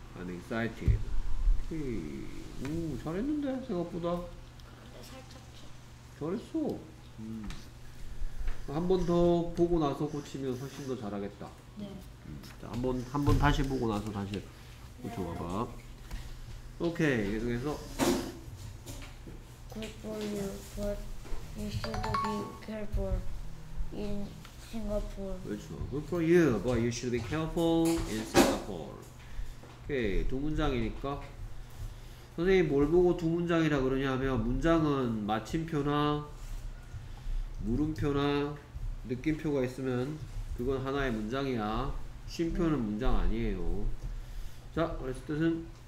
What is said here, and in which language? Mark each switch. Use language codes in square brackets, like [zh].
[en] I'm excited. Okay. [ko] 오, 잘했는데, 생각보다. 근데 살짝 좀. 잘했어. 한 번 더 보고 나서 고치면 훨씬 더 잘하겠다. 네. 한 번 다시 보고 나서 다시 고쳐봐봐. 네. 오케이, 계속해서. [en] Good for you, but you should be careful in Singapore. [ko] 그렇죠. [en] Good for you, but you should be careful in Singapore. [ko] 오케이, 두 문장이니까. 선생님, 뭘 보고 두 문장이라 그러냐면 문장은 마침표나 물음표나 느낌표가 있으면 그건 하나의 문장이야. 쉼표는 문장 아니에요. 자, 그래서 뜻은?